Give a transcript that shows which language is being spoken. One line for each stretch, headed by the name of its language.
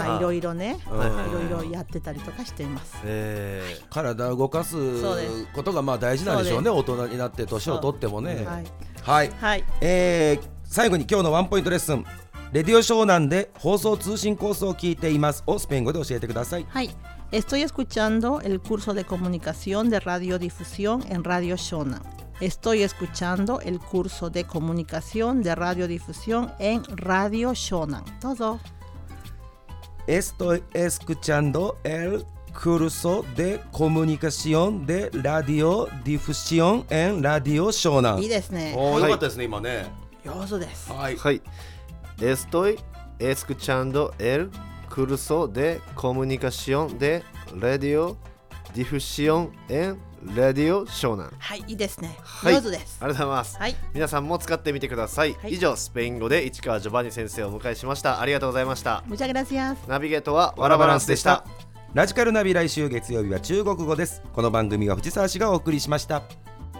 Japanese: いろいろね、いろいろやってたりとかしています。体を動かすことがまあ大事なんでしょうね、大人になって年を取ってもね。はい、はいはい、最後に今日のワンポイントレッスン、レディオ湘南で放送通信コースを聞いていますをスペイン語で教えてください。
Spanish: はい、 Estoy escuchando el curso de comunicación de radiodifusión en Radio Shonan. Estoy escuchando el curso de comunicación de radiodifusión en Radio Shonan.
Japanese: どうぞ。
Spanish: Estoy escuchando el curso de comunicación de radiodifusión en Radio Shonan.
Japanese: いいですね。おー、良かったですね、今ね。上手です。
Spanish: はい。はい、Estoy escuchando el curso de comunicación de radio difusión en radio Shonan.
Japanese: はい、いいですね。上手です。ありがとうございます。はい、皆さんも使ってみてください。はい、以上、スペイン語で市川ジョバニ先生をお迎えしました。ありがとうございました。
Spanish: Muchas gracias.
Japanese: ナビゲートはワラバランスでした。ラジカルナビ、来週月曜日は中国語です。この番組は藤沢氏がお送りしました。